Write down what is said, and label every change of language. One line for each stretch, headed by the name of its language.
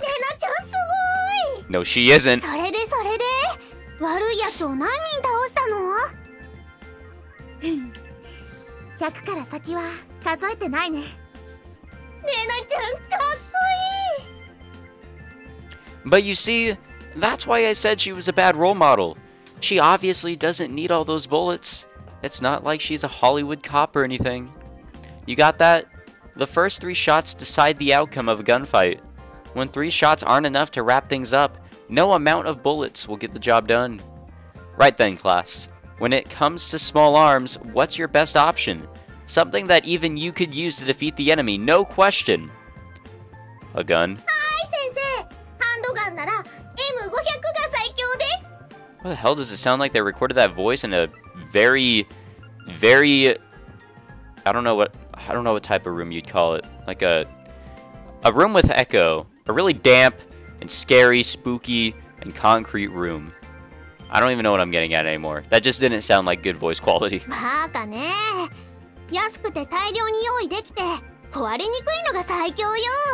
Japanese: レナちゃんすごい
English: No, she isn't!
Japanese: それでそれで悪い奴を何人倒したの?100 から先は数えてないね。レナちゃんかっこいい
English: But you see, that's why I said she was a bad role model. She obviously doesn't need all those bullets. It's not like she's a Hollywood cop or anything. You got that? The first three shots decide the outcome of a gunfight. When three shots aren't enough to wrap things up, no amount of bullets will get the job done. Right then, class. When it comes to small arms, what's your best option? Something that even you could use to defeat the enemy, no question. A gun? Hi, Sensei! Handgun
Japanese: なら
English: M500
Japanese: が最強です!
English: What the hell does it sound like they recorded that voice in a very, very... I don't know what type of room you'd call it. Like a room with echo. A really damp and scary, spooky, and concrete room. I don't even know what I'm getting at anymore. That just didn't sound like good voice quality.
Japanese: バカね。安くて大量に用意できて、壊れにくいのが最強よ。